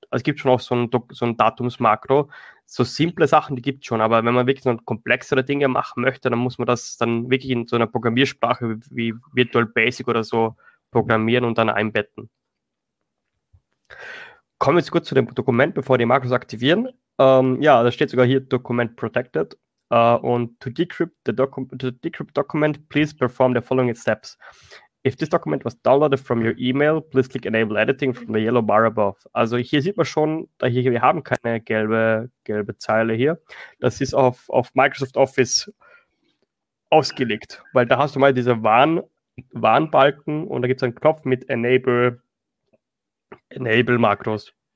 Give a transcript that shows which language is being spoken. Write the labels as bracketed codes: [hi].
[de] Also es gibt schon auch so ein Datumsmakro. So simple Sachen, die gibt es schon, aber wenn man wirklich so komplexere Dinge machen möchte, dann muss man das dann wirklich in so einer Programmiersprache wie Virtual Basic oder so programmieren und dann einbetten. Kommen wir jetzt kurz zu dem Dokument, bevor die Makros aktivieren. Ja, da steht sogar hier [en] Document Protected. Und to decrypt document, please perform the following steps. If this document was downloaded from your email, please click Enable Editing from the yellow bar above. [de] Also hier sieht man schon, da hier, wir haben keine gelbe Zeile hier. Das ist auf Microsoft Office ausgelegt, weil da hast du mal diese Warnbalken und da gibt es einen Knopf mit Enable Makros.